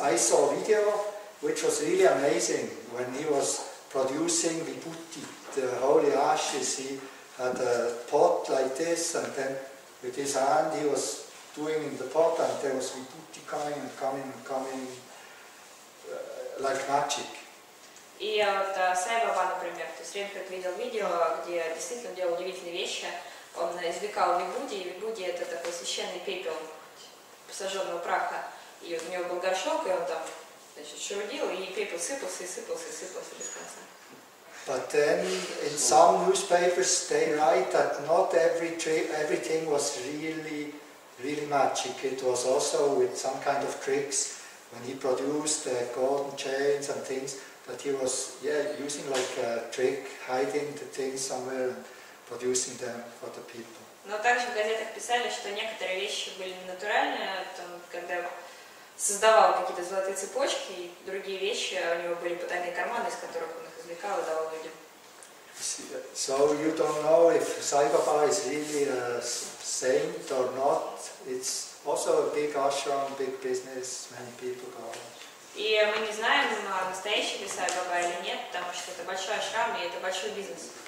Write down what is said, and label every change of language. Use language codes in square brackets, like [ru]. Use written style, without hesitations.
[en] I saw a video which was really amazing when he was producing vibhuti, the holy ashes. He had a pot like this, and then with his hand he was doing in the pot, and there was vibhuti coming and coming and coming like magic. [ru] И вот Сай Баба, например, то есть Ренхард видел видео, где действительно делал удивительные вещи. Он извлекал вибхути, и вибхути это такой священный пепел посаженного праха. И вот у него был горшок, и он там, значит, шурудил, и пепел сыпался, и сыпался, и сыпался без конца. [en] But then in some newspapers they write that not everything was really, really magic. It was also with some kind of tricks when he produced the golden chains and things. That he was, using like a trick, hiding the things somewhere and producing them for the people. [ru] Но также в газетах писали, что некоторые вещи были не натуральные, там, когда создавал какие-то золотые цепочки, и другие вещи у него были потайные карманы, из которых он их извлекал и давал людям. [en] So you don't know if Sai Baba is really a saint or not. It's also a big ashram, big business, many people go. [ru] И мы не знаем, настоящий ли Сай Баба или нет, потому что это большой ашрам и это большой бизнес.